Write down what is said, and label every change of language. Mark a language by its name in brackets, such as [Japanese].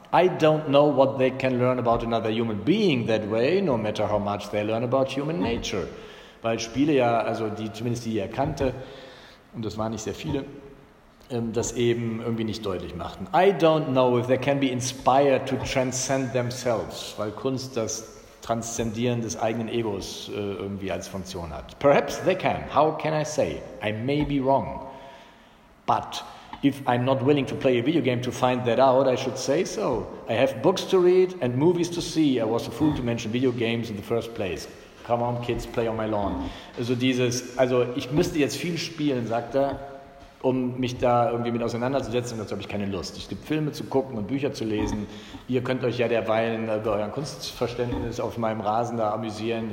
[English] I don't know what they can learn about another human being that way, no matter how much they learn about human nature. [German] Weil Spiele ja, also die er kannte, und das waren nicht sehr viele, das eben irgendwie nicht deutlich machten. [English] I don't know if they can be inspired to transcend themselves, [German] weil Kunst das Transzendieren des eigenen Egos irgendwie als Funktion hat. [English] Perhaps they can. How can I say? I may be wrong. But if I'm not willing to play a video game to find that out, I should say so. I have books to read and movies to see. I was a fool to mention video games in the first place. Come on, kids, play on my lawn. [German] Also ich müsste jetzt viel spielen, sagt er, um mich da irgendwie mit auseinanderzusetzen. Dazu habe ich keine Lust. Es gibt Filme zu gucken und Bücher zu lesen. Ihr könnt euch ja derweil über euer Kunstverständnis auf meinem Rasen da amüsieren.